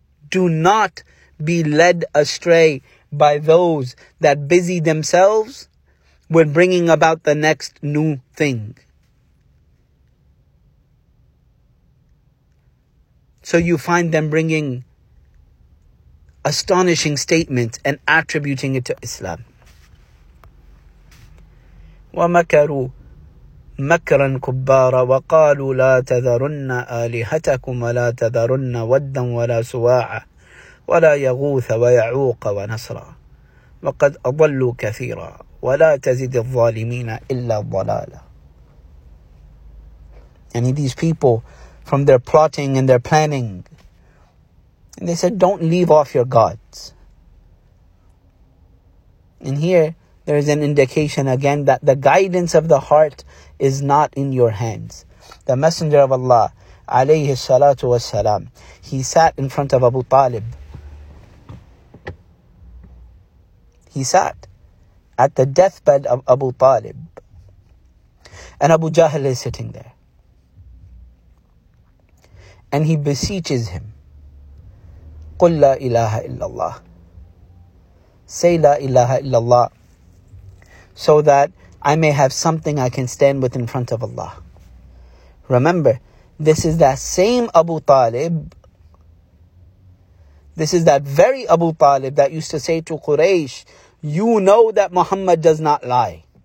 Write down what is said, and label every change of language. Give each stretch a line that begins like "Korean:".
English: Do not be led astray by those that busy themselves with bringing about the next new thing. So you find them bringing astonishing statements and attributing it to Islam.
Arabic: وَمَكَرُوا مَكْرًا كُبَّارًا وَقَالُوا لَا تَذَرُنَّ آلِهَتَكُمْ وَلَا تَذَرُنَّ وَدًّا وَلَا سُوَاعًا وَلَا يَغُوثَ وَيَعُوقَ وَنَسْرًا وَقَدْ أَضَلُّوا كَثِيرًا وَلَا تَزِدِ الظَّالِمِينَ إِلَّا ضَلَالًا
English: And these people, from their plotting and their planning, and they said, don't leave off your gods. And here, there is an indication again that the guidance of the heart is not in your hands. The Messenger of Allah, alayhi salatu wasalam, he sat in front of Abu Talib. He sat at the deathbed of Abu Talib. And Abu Jahl is sitting there. And he beseeches him,
Arabic: قُلْ لَا إِلَهَ إِلَّا اللَّهِ.
English: Say La ilaha illallah, so that I may have something I can stand with in front of Allah. Remember, this is that same Abu Talib. This is that very Abu Talib that used to say to Quraysh, you know that Muhammad does not lie.